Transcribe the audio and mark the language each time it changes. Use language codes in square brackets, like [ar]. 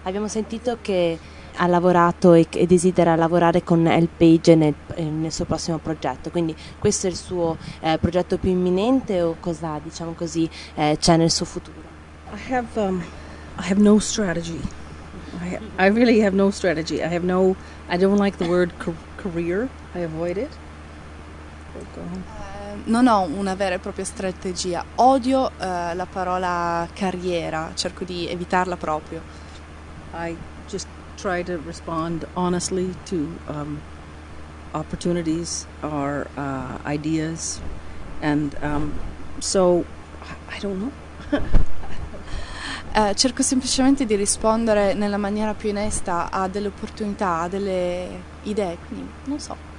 [it] Abbiamo sentito che ha lavorato e desidera lavorare con El Page nel suo prossimo progetto, quindi questo è il suo progetto più imminente o cosa, diciamo così, c'è nel suo futuro? [en] I have no strategy. I really have no strategy. I don't like the word career. I avoid it. [it] Non ho una vera e propria strategia. Odio la parola carriera. Cerco di evitarla proprio. [en] I just try to respond honestly to opportunities or ideas, and so I don't know. [it] Cerco semplicemente di rispondere nella maniera più onesta a delle opportunità, a delle idee, quindi non so.